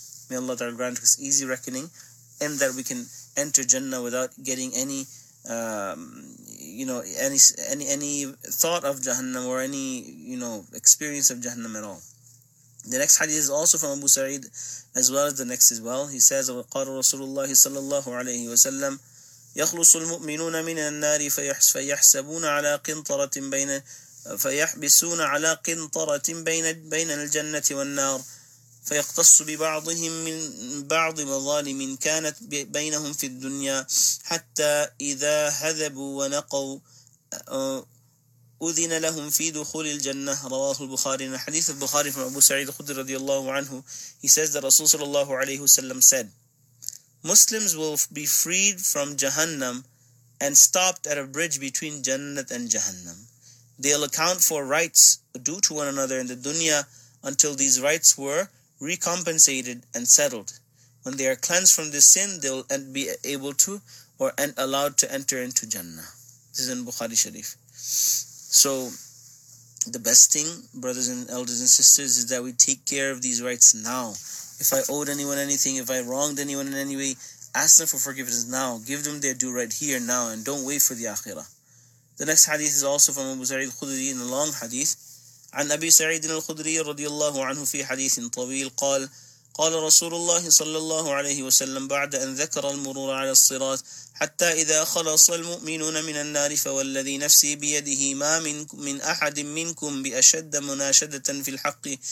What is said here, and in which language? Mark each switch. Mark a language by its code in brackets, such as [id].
[en] May Allah Ta'ala grant us easy reckoning, and that we can enter Jannah without getting any any thought of Jahannam or any, you know, experience of Jahannam at all. The next hadith is also from Abu Sa'id, as well as the next as well. He says, [ar] وَقَالَ رَسُولُ اللَّهِ صَلَّى اللَّهُ عَلَيْهِ وَسَلَّمْ يَخْلُصُ الْمُؤْمِنُونَ مِنَ النَّارِ فَيَحْسَبُونَ عَلَى قِنْطَرَةٍ بَيْنَ فَيَحْبِسُونَ عَلَى قِنْطَرَةٍ بَيْنَ الْجَنَّةِ وَالنَّارِ فيقتص ببعضهم من بعض مظالم كانت بينهم في الدنيا حتى إذا هذبوا ونقوا أذن لهم في دخول الجنة رواه البخاري. [en] In the hadith of Bukhari from Abu Sa'id Khudri [ar] رضي الله عنه, [en] he says that Rasul [ar] صلى الله عليه وسلم [en] said, Muslims will be freed from Jahannam and stopped at a bridge between Jannat and Jahannam. They'll account for rights due to one another in the dunya until these rights were recompensated and settled. When they are cleansed from this sin, they'll be able to or allowed to enter into Jannah. This is in Bukhari Sharif. So the best thing, brothers and elders and sisters, is that we take care of these rights now. If I owed anyone anything, if I wronged anyone in any way, ask them for forgiveness now. Give them their due right here now, and don't wait for the Akhirah. The next hadith is also from Abu Sa'id Khudri, in a long hadith. [ar] عن أبي سعيد الخدري رضي الله عنه في حديث طويل قال قال رسول الله صلى الله عليه وسلم بعد أن ذكر المرور على الصراط حتى إذا خلص المؤمنون من النار فوالذي نفسي بيده ما من أحد منكم بأشد مناشدة في الحق